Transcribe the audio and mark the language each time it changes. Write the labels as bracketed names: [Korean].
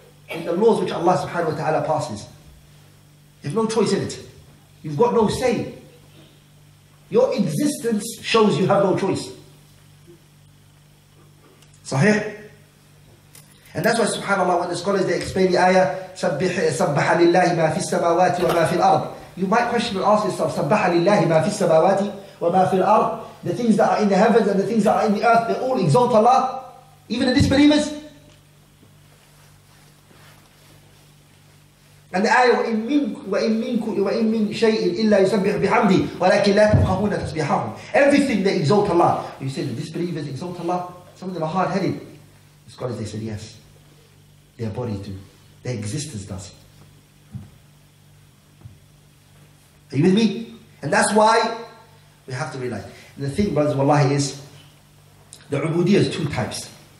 [English] In the laws which Allah subhanahu wa ta'ala passes. You have no choice in it. You've got no say. Your existence shows you have no choice. Sahih? And that's why subhanAllah, when the scholars, they explain the ayah, [Arabic] سَبَّحَ لِلَّهِ مَا فِي السَّمَاوَاتِ وَمَا فِي الْأَرْضِ. [English] You might question and ask yourself, [Arabic] سَبَّحَ لِلَّهِ مَا فِي السَّمَاوَاتِ وَمَا فِي الْأَرْضِ. [English] The things that are in the heavens and the things that are in the earth, they all exalt Allah, even the disbelievers. And the ayah, [Arabic] وَإِن مِنْ شَيْءٍ إِلَّا يُسَبِّحْ بِحَمْدِي وَلَكِنْ لَا تُفْقَهُونَ تَسْبِحَهُمْ. [English] Everything, they exalt Allah. You say the disbelievers exalt Allah? Some of them are hard-headed. The scholars, they said yes. Their bodies do. Their existence does. Are you with me? And that's why we have to realize. And the thing, brothers, wallahi, is the ubudiyah is two types.